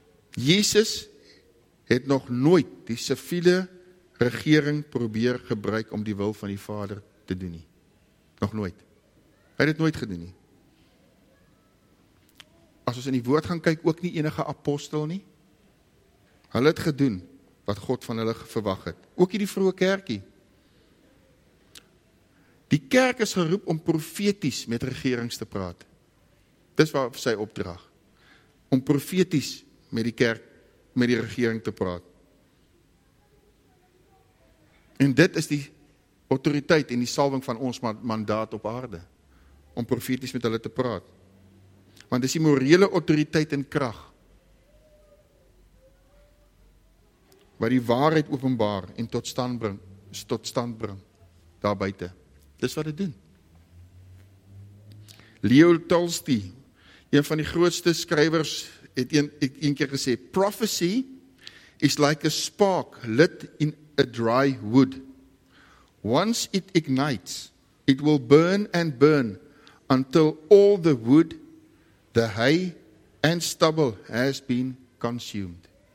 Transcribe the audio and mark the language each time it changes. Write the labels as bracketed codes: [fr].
[af] Jesus het nog nooit die siviele regering probeer gebruik om die wil van die Vader te doen nie. Nog nooit. Hy het dit nooit gedoen nie. As ons in die woord gaan kyk, ook nie enige apostel nie. Hulle het gedoen wat God van hulle verwag het. Ook hierdie vroeë kerkie. Die kerk is geroep om profeties met regerings te praat. Dis waar sy opdrag. Om profeties met die kerk, met die regering te praat. En dit is die autoriteit en die salwing van ons mandaat op aarde. Om profeties met hulle te praat. Want dis die morele autoriteit en krag wat die waarheid openbaar en tot stand bring daar buite. Dis wat dit doen. Leo Tolstoy, een van die grootste skrywers, het een keer gesê, [en] prophecy is like a spark lit in a dry wood. Once it ignites, it will burn and burn until all the wood, the hay and stubble has been consumed.